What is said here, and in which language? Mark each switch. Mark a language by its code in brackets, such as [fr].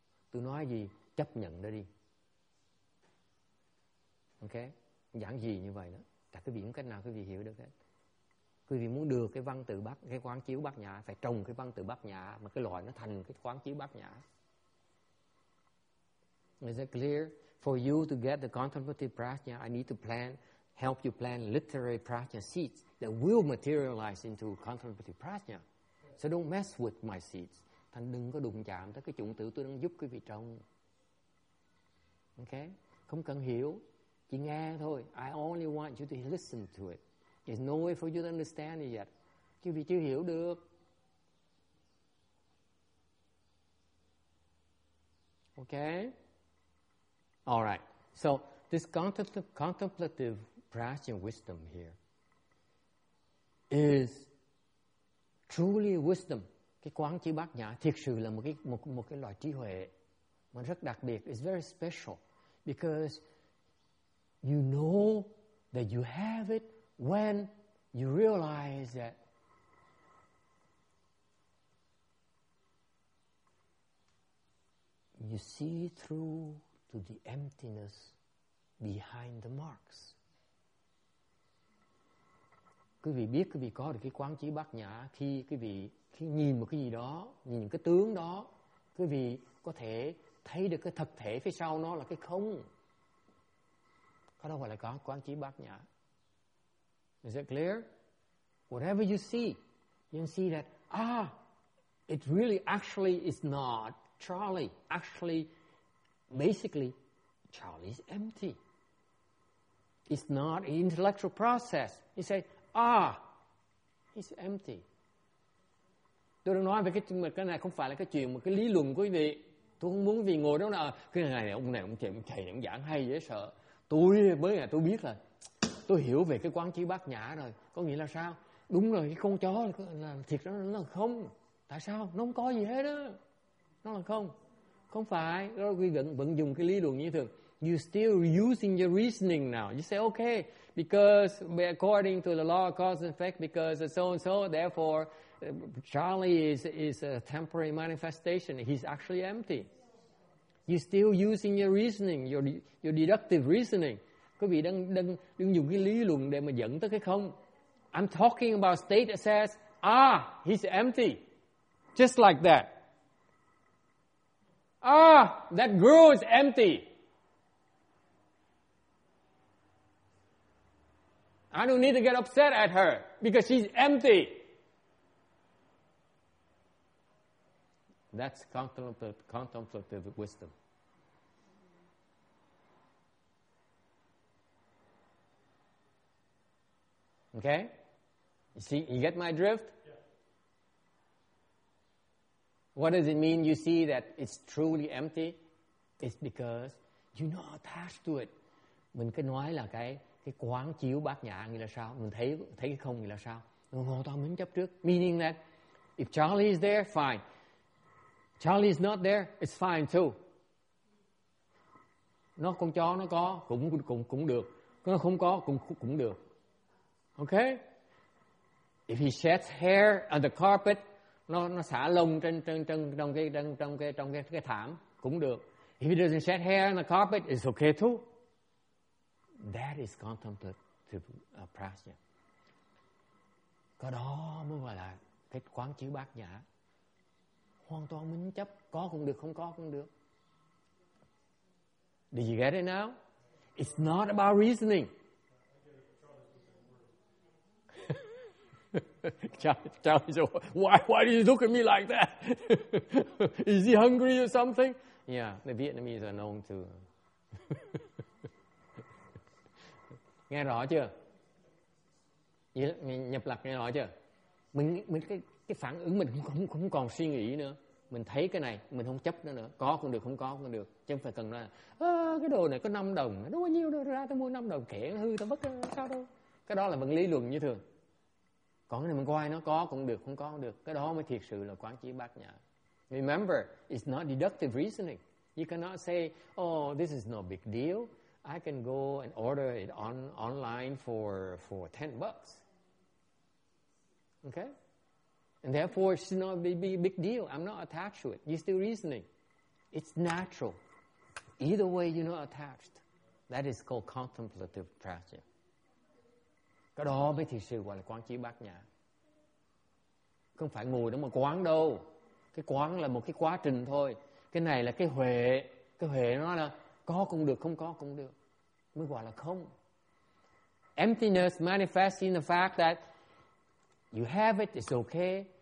[vi] Tôi nói gì chấp nhận nó đi. Ok, giảng gì như vậy đó, tại quý vị không cách nào quý vị hiểu được hết. Quý vị muốn được cái văn tự bát, cái quán chiếu bát nhã, phải trồng cái văn tự bát nhã mà cái loại nó thành cái quán chiếu bát nhã. [en] Is it clear? For you to get the contemplative prajna, I need to help you plant literary prajna seeds that will materialize into contemplative prajna. So don't mess with my seeds. [vi] Thành đừng có đụng chạm tới cái chủng tử tôi đang giúp quý vị trồng. Okay? Không cần hiểu, chỉ nghe thôi. [en] I only want you to listen to it. There's no way for you to understand it yet. [vi] Quý vị chưa hiểu được. [en] Okay? All right, so this contemplative prajna wisdom here is truly wisdom. [vi] Cái quán chiếu bát nhã thiệt sự là một cái loại trí huệ mà rất đặc biệt. [en] It's very special because you know that you have it when you realize that you see through to the emptiness behind the marks. [vi] Quý vị biết quý vị có được cái quán chiếu bát nhã khi quý vị khi nhìn một cái gì đó, nhìn cái tướng đó, quý vị có thể thấy được cái thực thể phía sau nó là cái không. Cái đó gọi là có quán chiếu bát nhã. [en] Is it clear? Whatever you can see that it really actually is not Charlie. Actually, basically, Charlie is empty. It's not an intellectual process. You say, he's empty. [vi] Tôi đang nói về cái này không phải là cái chuyện mà cái lý luận của quý vị. Tôi không muốn vì ngồi đó là cái ngày này ông này ông chạy, thầy này ông giảng hay dễ sợ. Tôi mới là tôi biết là tôi hiểu về cái quán chiếu bát nhã rồi. Có nghĩa là sao? Đúng rồi, cái con chó là thiệt đó, nó là không. Tại sao? Nó không có gì hết đó. Nó là không. Không phải, quý vị vẫn dùng cái lý luận như thường. [en] You still using your reasoning now. You say, okay, because according to the law of cause and effect, because so and so, therefore, Charlie is a temporary manifestation. He's actually empty. You're still using your reasoning, your deductive reasoning. Quý vị đang dùng cái lý luận để mà dẫn tới cái không. I'm talking about state that says, ah, he's empty. Just like that. Ah, that girl is empty. I don't need to get upset at her because she's empty. That's contemplative wisdom. Okay? You see, you get my drift? Yeah. What does it mean you see that it's truly empty? It's because you're not attached to it. [vi] Mình cứ nói là cái quán chiếu bát nhã nghĩa là sao? Mình thấy cái không nghĩa là sao? Mình hoàn toàn mến chấp trước. [en] Meaning that if Charlie is there, fine. Charlie is not there, it's fine too. [vi] Nó con chó nó có cũng được. Nó không có cũng được. [en] Okay? If he sheds hair on the carpet, [vi] nó xả lông trong cái thảm cũng được. [en] If he doesn't shed hair on the carpet, it's okay too. That is contemplative prajna. [vi] Có đó mới gọi là cái quán chiếu bát nhã. Hoàn toàn minh chấp, có cũng được, không có cũng được. [en] Did you get it now? It's not about reasoning. Charlie said, why do you look at me like that? Is he hungry or something? Yeah, the Vietnamese are known to. [vi] Nghe rõ chưa? Nhập lạc nghe rõ chưa? Mình cái phản ứng mình không còn suy nghĩ nữa. Mình thấy cái này, mình không chấp nó nữa. Có cũng được, không có cũng được. Chứ không phải cần là, cái đồ này có 5 đồng, nó bao nhiêu đâu ra, tao mua 5 đồng, kẻ hư, tao mất sao đâu. Cái đó là vẫn lý luận như thường. Còn cái này mình coi nó có cũng được, không có cũng được. Cái đó mới thiệt sự là quán chiếu bát nhã. [en] Remember, it's not deductive reasoning. You cannot say, oh, this is no big deal. I can go and order it online for 10 bucks. Okay? And therefore, it's not a big deal. I'm not attached to it. You're still reasoning. It's natural. Either way, you're not attached. That is called contemplative prajna. [vi] Cái đó mới thiệt sự gọi là quán chiếu bát nhã. Không phải ngồi đó mà quán đâu. Cái quán là một cái quá trình thôi. Cái này là cái huệ. Cái huệ nó là có cũng được, không có cũng được. Mới gọi là không. [en] Emptiness manifests in the fact that you have it, it's okay.